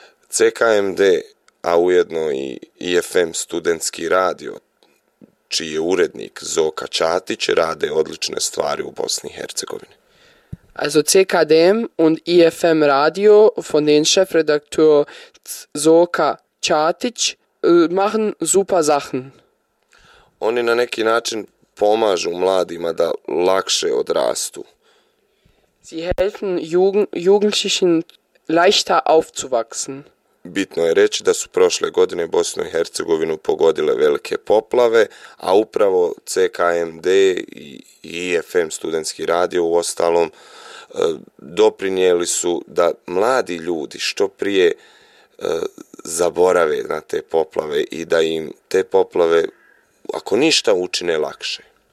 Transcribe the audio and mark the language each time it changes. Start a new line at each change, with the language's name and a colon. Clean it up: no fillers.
Bosnian: CKMD, a ujedno i IFM studentski radio, čiji je urednik Zoka Čatić, rade odlične stvari u Bosni i Hercegovini.
German: Also CKDM und IFM Radio von den Chefredakteur Zoka Čatić machen super Sachen.
Bosnian: Oni na neki način pomažu mladima da lakše odrastu.
German: Sie helfen Jugendlichen leichter aufzuwachsen.
Bosnian: Bitno je reći da su prošle godine Bosnu i Hercegovinu pogodile velike poplave, a upravo CKMD i IFM studentski radio u ostalom doprinijeli su da mladi ljudi što prije zaborave na te poplave i da im te poplave, ako ništa, učine lakše.